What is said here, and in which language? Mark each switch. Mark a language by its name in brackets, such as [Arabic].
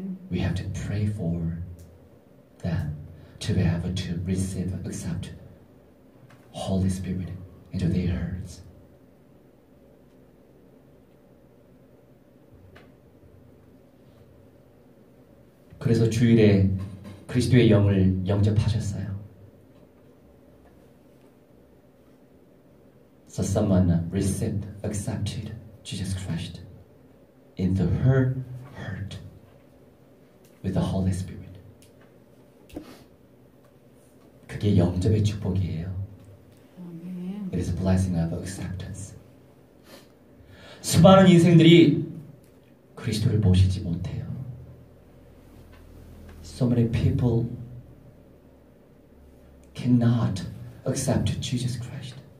[English] We have to pray for them to be able to receive, accept Holy Spirit into their hearts. [Korean] 그래서 주일에 그리스도의 영을 영접하셨어요. [English] So someone received, accepted Jesus Christ into her heart with the Holy Spirit. [Korean] 그게 영접의 축복이에요. [English] It is a blessing of acceptance. [Korean] 수많은 인생들이 그리스도를 모시지 못해요. [English] So many people cannot accept Jesus Christ.